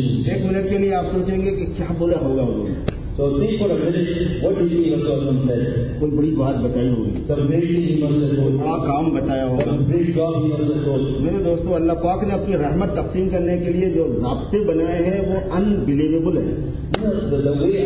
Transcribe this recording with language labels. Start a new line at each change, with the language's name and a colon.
Urdu: ایک منٹ کے لیے آپ سوچیں گے کہ کیا بولا ہوگا وہ.
English: So think for a minute, what did he must have said?
Urdu: کوئی بڑی بات بتائی ہوگی. سب بڑا کام بتایا ہوگا. میرے دوستو, اللہ پاک نے اپنی رحمت تقسیم کرنے کے لیے جو ضابطے بنائے ہیں وہ ان بلیویبل ہے.